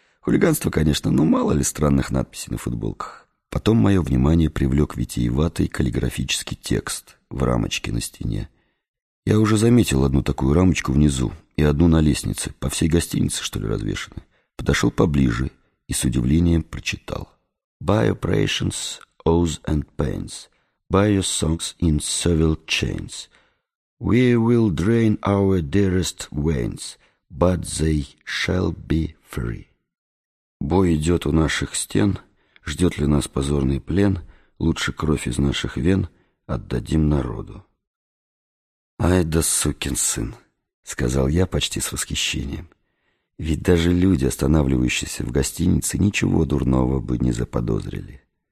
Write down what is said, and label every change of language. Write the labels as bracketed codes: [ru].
[ru] Хулиганство, конечно, но мало ли странных надписей на футболках. Потом мое внимание привлек витиеватый каллиграфический текст в рамочке на стене. Я уже заметил одну такую рамочку внизу и одну на лестнице, по всей гостинице, что ли, развешаны. Подошел поближе и с удивлением прочитал. [en] «By operations, oaths and pains, by your songs in civil chains, we will drain our dearest veins, but they shall be free». [ru] «Бой идет у наших стен, ждет ли нас позорный плен, лучше кровь из наших вен отдадим народу». «Ай да сукин сын», — сказал я почти с восхищением. Ведь даже люди, останавливающиеся в гостинице, ничего дурного бы не заподозрили.